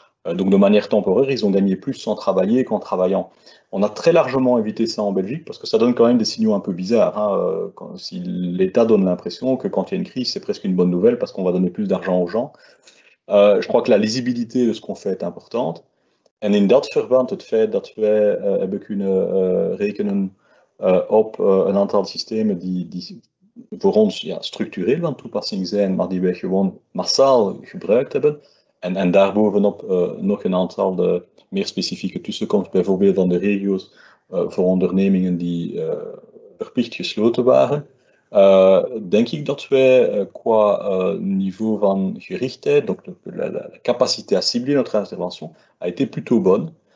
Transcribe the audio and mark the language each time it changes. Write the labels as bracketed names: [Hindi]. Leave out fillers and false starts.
[French] Donc de manière temporaire, ils ont gagné plus sans travailler qu'en travaillant. On a très largement évité ça en Belgique parce que ça donne quand même des signaux un peu bizarres. Hein, quand, si l'État donne l'impression que quand il y a une crise, c'est presque une bonne nouvelle parce qu'on va donner plus d'argent aux gens. Je crois que la lisibilité de ce qu'on fait est importante. [Dutch] En in dat verband het feit dat wij hebben kunnen rekenen op een aantal systemen die voor ons ja, structureel van toepassing zijn, maar die wij gewoon massaal gebruikt hebben. En daarbovenop nog een aantal de meer specifieke tussenkomst, bijvoorbeeld dan de regio's voor ondernemingen die verplicht gesloten waren. Denk ik dat wij qua niveau van gerichtheid, [French] donc la capacité à cibler notre intervention, a été plutôt bonne.